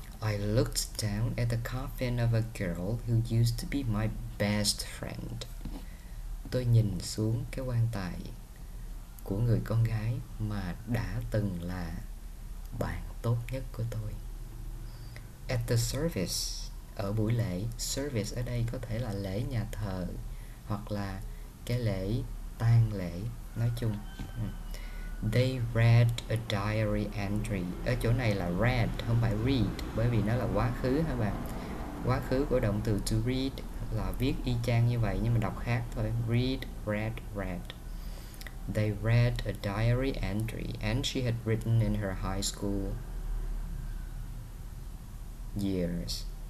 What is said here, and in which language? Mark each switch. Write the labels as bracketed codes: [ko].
[en] I looked down at the coffin of a girl who used to be my best friend. [vi] Tôi nhìn xuống cái quan tài của người con gái mà đã từng là bạn tốt nhất của tôi. [en] At the service, [vi] ở buổi lễ. Service ở đây có thể là lễ nhà thờ hoặc là cái lễ tang lễ nói chung. [en] They read a diary entry. [vi] Ở chỗ này là read, không phải read, bởi vì nó là quá khứ hả bạn. Quá khứ của động từ to read là viết y chang như vậy nhưng mà đọc khác thôi. [en] Read, read, read. They read a diary entry and she had written in her high school years.